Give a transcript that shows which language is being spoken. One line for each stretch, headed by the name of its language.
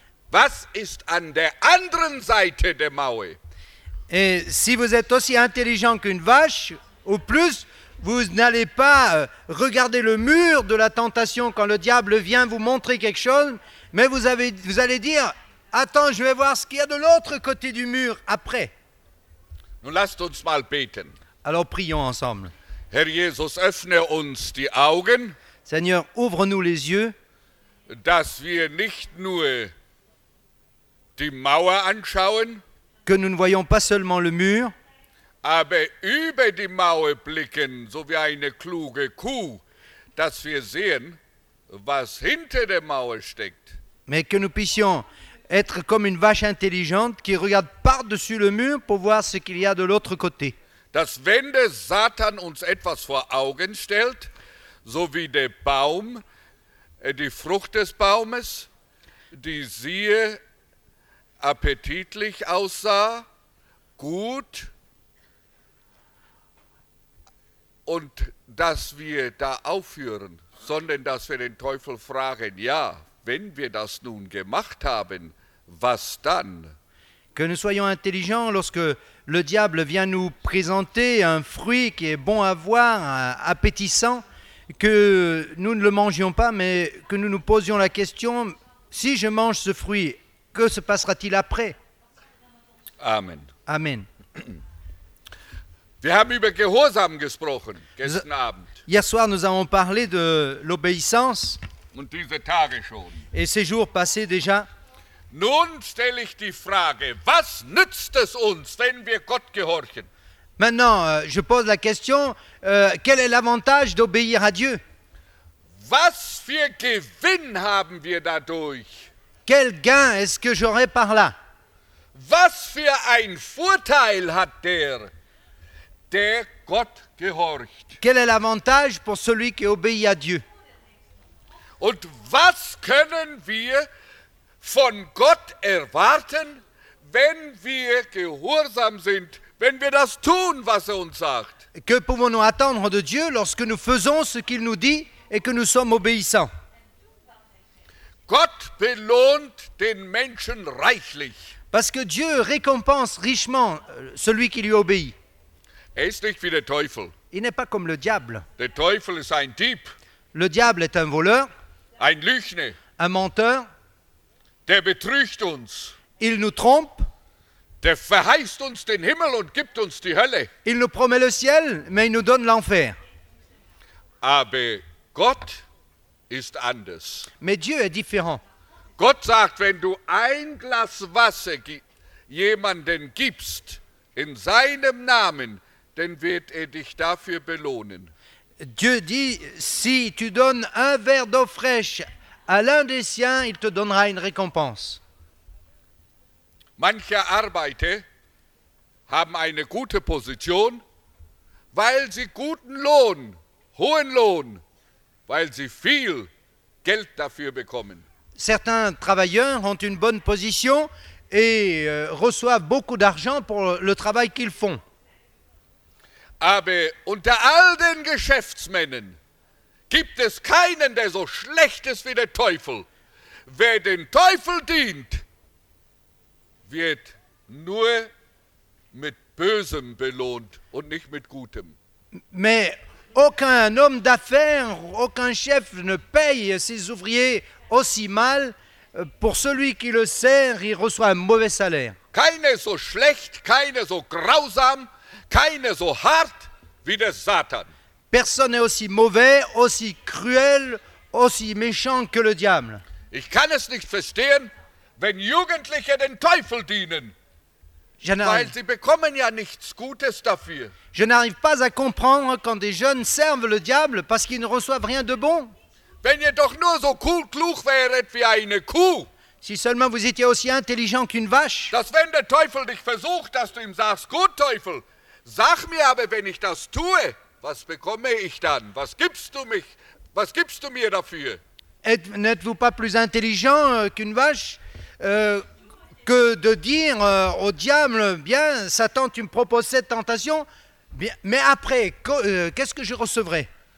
German: Was ist an der anderen Seite der Mauer?
French: Et si vous êtes aussi intelligent qu'une vache, ou plus, vous n'allez pas regarder le mur de la tentation quand le diable vient vous montrer quelque chose, mais vous allez dire, attends, je vais voir ce qu'il y a de l'autre côté du mur après.
German: Nun lasst uns mal beten.
French: Alors prions ensemble.
German: Herr Jesus, öffne uns die Augen,
French: Seigneur, ouvre-nous les yeux,
German: dass wir nicht nur die Mauer anschauen,
French: que nous ne voyons pas seulement le mur,
German: aber über die Mauer blicken, so wie eine kluge Kuh, dass wir sehen, was hinter der Mauer steckt.
French: Mais que nous puissions être comme une vache intelligente qui regarde par-dessus le mur pour voir ce qu'il y a de l'autre côté.
German: Dass wenn der Satan uns etwas vor Augen stellt, so wie der Baum, die Frucht des Baumes, die siehe appetitlich aussah, gut, und dass wir da aufhören, sondern dass wir den Teufel fragen, ja, wenn wir das nun gemacht haben, was dann?
French: Que nous soyons intelligents lorsque le diable vient nous présenter un fruit qui est bon à voir, appétissant, que nous ne le mangions pas, mais que nous nous posions la question, si je mange ce fruit, que se passera-t-il après?
German: Amen.
French: Amen.
German: Wir haben über Gehorsam gesprochen gestern Abend.
French: Hier soir, nous avons parlé de l'obéissance.
German: Und diese Tage schon.
French: Et ces jours passés déjà.
German: Nun stelle ich die Frage, was nützt es uns, wenn wir Gott gehorchen?
French: Maintenant, je pose la question, quel est l'avantage d'obéir à Dieu?
German: Was für Gewinn haben wir dadurch?
French: Quel gain est-ce que j'aurai par là?
German: Was für ein Vorteil hat der Gott gehorcht?
French: Quel est l'avantage pour celui qui obéit à Dieu?
German: Und was können wir von Gott erwarten, wenn wir gehorsam sind, wenn wir das tun, was uns sagt?
French: Que pouvons-nous attendre de Dieu lorsque nous faisons ce qu'il nous dit et que nous sommes obéissants?
German: Gott belohnt den Menschen reichlich.
French: Parce que Dieu récompense richement celui qui lui obéit.
German: Er ist nicht wie der Teufel.
French: Il n'est pas comme le diable.
German: Der Teufel ist ein Dieb.
French: Le diable est un voleur.
German: Ein Lügner.
French: Un menteur.
German: Der betrügt uns.
French: Il nous trompe.
German: Der verheißt uns den Himmel und gibt uns die Hölle.
French: Il nous promet le ciel, mais il nous donne l'enfer.
German: Aber Gott ist anders.
French: Mais Dieu est différent.
German: Gott sagt, wenn du ein Glas Wasser jemanden gibst in seinem Namen, dann wird dich dafür belohnen.
French: Dieu dit, si tu donnes un verre d'eau fraîche à l'un des siens, il te donnera une récompense.
German: Manche Arbeiter haben eine gute Position, weil sie guten Lohn, hohen Lohn, weil sie viel Geld dafür bekommen.
French: Certains travailleurs ont une bonne position et reçoivent beaucoup d'argent pour le travail qu'ils font.
German: Aber unter all den Geschäftsmännern gibt es keinen, der so schlecht ist wie der Teufel. Wer den Teufel dient, wird nur mit Bösem belohnt und nicht mit Gutem.
French: Mais aucun homme d'affaires, aucun chef ne paye ses ouvriers aussi mal. Pour celui qui le sert, il reçoit un mauvais salaire.
German: Keine so schlecht, keine so grausam, keine so hart wie der Satan.
French: Personne n'est aussi mauvais, aussi cruel, aussi méchant que le diable.
German: Ich kann es nicht verstehen, wenn Jugendliche den Teufel dienen. Weil sie bekommen ja nichts Gutes dafür.
French: Je n'arrive pas à comprendre quand des jeunes servent le diable parce qu'ils ne reçoivent rien de bon.
German: Wenn ihr doch nur so klug wäret wie eine Kuh.
French: Si seulement vous étiez aussi intelligent qu'une vache.
German: Dass wenn der Teufel dich versucht, dass du ihm sagst, gut Teufel, sag mir aber, wenn ich das tue, was bekomme ich dann? Was gibst du mir dafür?
French: N'êtes-vous pas plus intelligent qu'une vache que de dire au diable, bien, Satan, tu me proposes cette tentation, mais après, qu'est-ce que je recevrai?